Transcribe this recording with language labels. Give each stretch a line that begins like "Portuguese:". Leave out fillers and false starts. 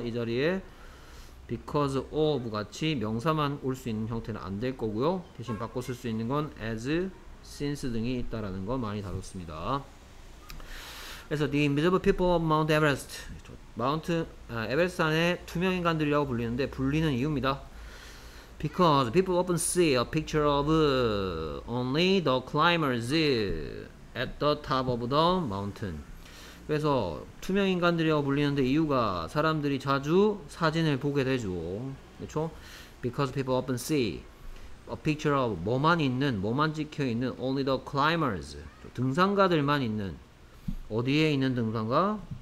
Korean: 이 자리에 because of 같이 명사만 올 수 있는 형태는 안 될 거고요. 대신 바꿔 쓸 수 있는 건 as since 등이 있다라는 거 많이 다뤘습니다. 그래서
English: the invisible people of Mount Everest.
Korean: 에베레스트산의 투명 인간들이라고 불리는데 불리는 이유입니다.
English: Because people often see a picture of only the climbers at the top of the mountain.
Korean: 그래서 투명 인간들이라고 불리는데 이유가 사람들이 자주 사진을 보게 되죠. 그렇죠?
English: Because people often see A picture of
Korean: 뭐만 있는, 뭐만 찍혀있는
English: Only the climbers
Korean: 등산가들만 있는 어디에 있는 등산가?